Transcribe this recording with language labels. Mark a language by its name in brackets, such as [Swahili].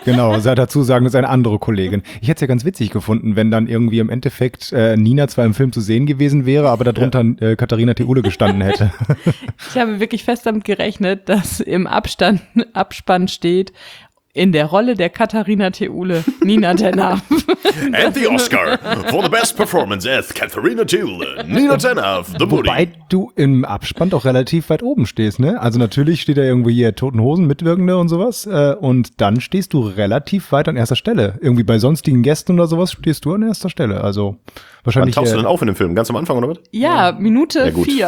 [German] Genau, sei dazu sagen, ist eine andere Kollegin. Ich hätte es ja ganz witzig gefunden, wenn dann irgendwie im Endeffekt Nina zwar im Film zu sehen gewesen wäre, aber darunter Katharina Theule gestanden hätte. Ich habe wirklich fest damit gerechnet, dass im Abspann steht, In der Rolle der Katharina Theule, Nina Tenhoff. [English] And the Oscar for the best performance as Katharina Theule, Nina Tenhoff, the Booty. [German] Wobei du im Abspann doch relativ weit oben stehst, ne? Also natürlich steht da irgendwie hier Toten Hosen, Mitwirkende und sowas. Und dann stehst du relativ weit an erster Stelle. Irgendwie bei sonstigen Gästen oder sowas stehst du an erster Stelle. Also wahrscheinlich. Wann tauchst du denn auf in dem Film? Ganz am Anfang oder was? Ja, Minute 4. Ja,